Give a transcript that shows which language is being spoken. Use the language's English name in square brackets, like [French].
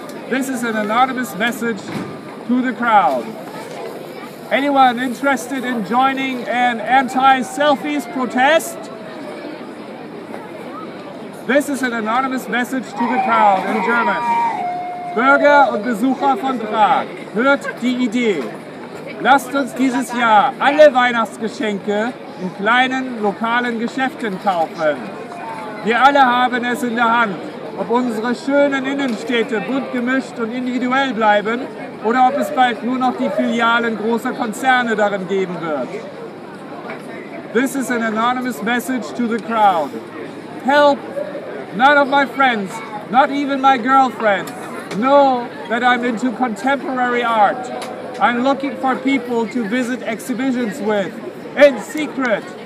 [English] This is an anonymous message to the crowd. Anyone interested in joining an anti-selfies protest? This is an anonymous message to the crowd in German. [German] Bürger und Besucher von Prag, hört die Idee. Lasst uns dieses Jahr alle Weihnachtsgeschenke in kleinen lokalen Geschäften kaufen. Wir alle haben es in der Hand, ob unsere schönen Innenstädte bunt gemischt und individuell bleiben oder ob es bald nur noch die Filialen großer Konzerne darin geben wird. [English] This is an anonymous message to the crowd. Help! None of my friends, not even my girlfriend, know that I'm into contemporary art. I'm looking for people to visit exhibitions with, in secret.